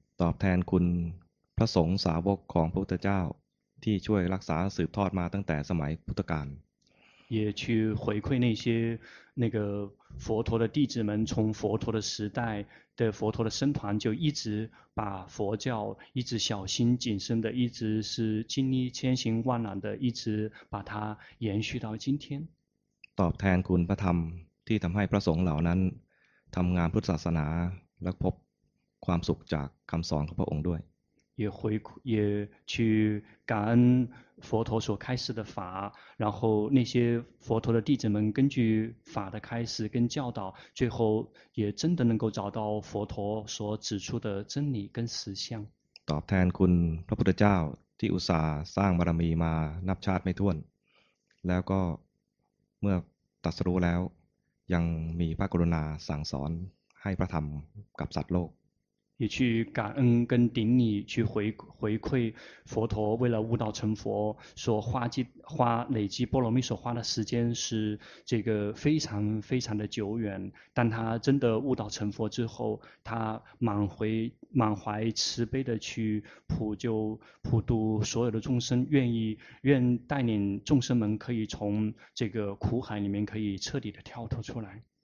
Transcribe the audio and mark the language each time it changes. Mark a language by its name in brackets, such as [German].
[Thai] ตอบแทนคุณพระสงฆ์สาวกของพระพุทธเจ้าที่ช่วยรักษาสืบทอดมาตั้งแต่สมัยพุทธกาล [Chinese] 也去回馈那些那个佛陀的弟子们从佛陀的时代的佛陀的僧团就一直把佛教一直小心谨慎的一直是经历千辛万难的一直把它延续到今天 [Thai] ตอบแทนคุณพระธรรมที่ทำให้พระสงฆ์เหล่านั้นทำงานพุทธศาสนาและพบความสุขจากคำสอนของพระองค์ด้วย [Chinese] 也回也去感恩佛陀所开示的法，然后那些佛陀的弟子们根据法的开示跟教导，最后也真的能够找到佛陀所指出的真理跟实相。 [Thai] ตอบแทนคุณพระพุทธเจ้าที่อุตส่าห์สร้างบารมีมานับชาติไม่ถ้วนแล้วก็เมื่อตรัสรู้แล้วยังมีพระกรุณาสั่งสอนให้พระธรรมกับสัตว์โลก [Chinese] 也去感恩跟顶礼，去回馈佛陀为了悟道成佛所花累积波罗蜜所花的时间是这个非常非常的久远，但他真的悟道成佛之后，他满怀慈悲的去普度所有的众生，愿带领众生们可以从这个苦海里面可以彻底的跳脱出来。